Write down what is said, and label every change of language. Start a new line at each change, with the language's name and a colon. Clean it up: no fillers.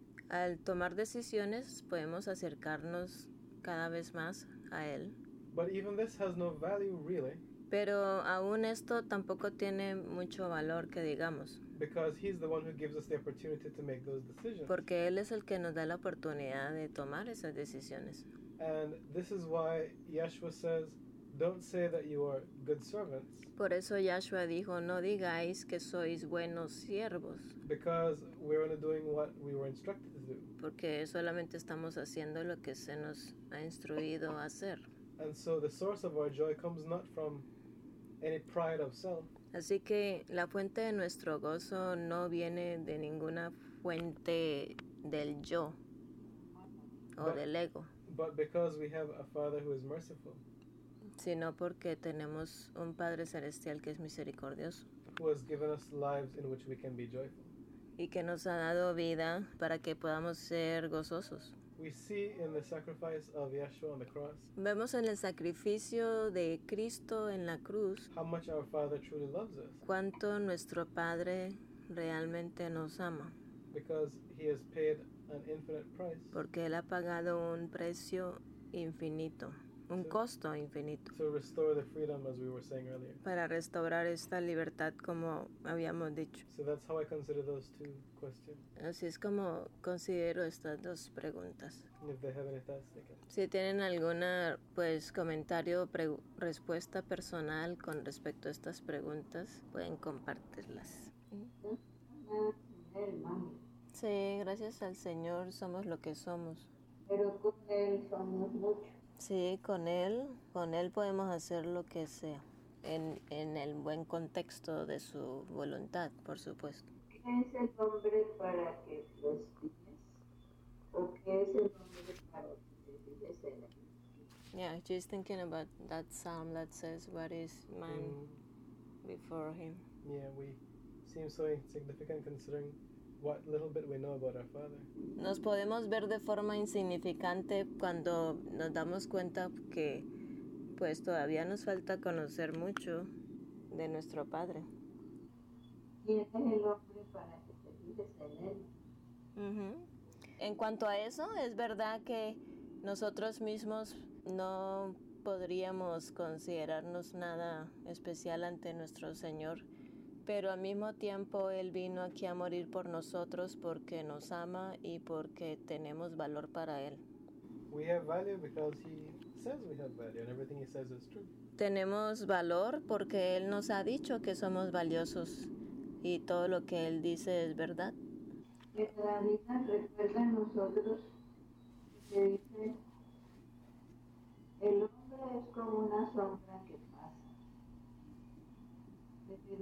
Spanish: Al tomar decisiones, podemos acercarnos cada vez más a Él.
English: But even this has no value, really.
Spanish: Pero aún esto tampoco tiene mucho valor, que digamos.
English: Because He's the one who gives us the opportunity to make those decisions.
Spanish: Porque Él es el que nos da la oportunidad de tomar esas decisiones.
English: And this is why Yeshua says, don't say that you are good servants.
Spanish: Por eso Yahshua dijo, no digáis que sois buenos siervos.
English: Because we're only doing what we were instructed to do.
Spanish: Porque solamente estamos haciendo lo que se nos ha instruido a hacer.
English: And so the source of our joy comes not from any pride of self.
Spanish: Así que la fuente de nuestro gozo no viene de ninguna fuente del yo o del ego.
English: But because we have a Father who is merciful.
Spanish: Sino porque tenemos un Padre Celestial que es misericordioso.
English: Who has given us lives in which we can be joyful.
Spanish: Y que nos ha dado vida para que podamos ser gozosos.
English: We see in the sacrifice of Yeshua on the cross.
Spanish: Vemos en el sacrificio de Cristo en la cruz.
English: How much our Father truly loves us.
Spanish: Cuánto nuestro Padre realmente nos ama.
English: Because He has paid an infinite price.
Spanish: Porque Él ha pagado un precio infinito. Un costo infinito.
English: To restore the freedom, as we were saying earlier.
Spanish: Para restaurar esta libertad, como habíamos dicho.
English: So that's how I consider those two questions.
Spanish: Así es como considero estas dos preguntas.
English: If they have any thoughts, they can.
Spanish: Si tienen alguna, pues, comentario o respuesta personal con respecto a estas preguntas, pueden compartirlas. Sí, gracias al Señor somos lo que somos. Pero con Él somos mucho. Sí, con él podemos hacer lo que sea, en el buen contexto de su voluntad, por supuesto. ¿Qué es el hombre para que lo estimes? ¿O qué es el hombre para que te estimes?
English: Yeah, just thinking about that psalm that says, what is man before him? Yeah, we seem so insignificant considering what little bit we know about our Father.
Spanish: Nos podemos ver de forma insignificante cuando nos damos cuenta que, pues, todavía nos falta conocer mucho de nuestro Padre. ¿Quién es el hombre para que te fijes en él? Uh-huh. En cuanto a eso, es verdad que nosotros mismos no podríamos considerarnos nada especial ante nuestro Señor. Pero al mismo tiempo, Él vino aquí a morir por nosotros porque nos ama y porque tenemos valor para Él.
English: We have value because He says we have value and everything He says is true.
Spanish: Tenemos valor porque Él nos ha dicho que somos valiosos y todo lo que Él dice es verdad. Que la vida recuerda a nosotros que dice, que nosotros somos hechos a su imagen y semejanza.